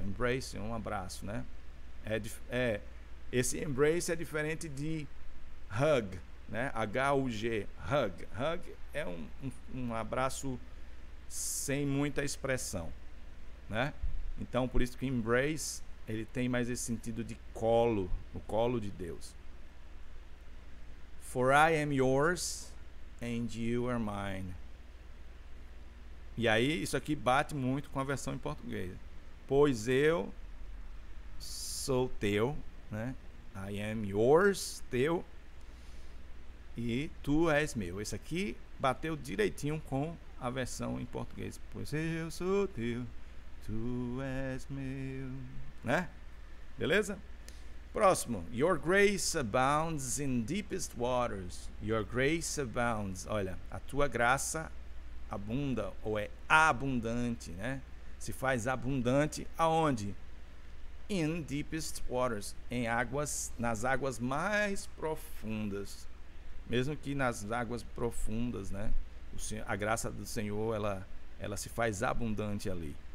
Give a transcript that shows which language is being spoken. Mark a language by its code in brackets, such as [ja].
[pt] Embrace é um abraço, né? Esse embrace é diferente de hug, né? H-U-G, hug. Hug é um abraço sem muita expressão, né? Então, por isso que embrace, ele tem mais esse sentido de colo, o colo de Deus. [en] For I am yours and you are mine. [pt] E aí, isso aqui bate muito com a versão em português. Pois eu sou teu, né? [en] I am yours, [pt] teu, e tu és meu. Esse aqui bateu direitinho com a versão em português. Pois eu sou teu, tu és meu, né? Beleza? Próximo. [en] Your grace abounds in deepest waters. Your grace abounds. [pt] Olha, a tua graça abunda ou é abundante, né? Se faz abundante aonde? [en] In deepest waters, [pt] em águas, nas águas mais profundas. Mesmo que nas águas profundas, né? A graça do Senhor, ela se faz abundante ali.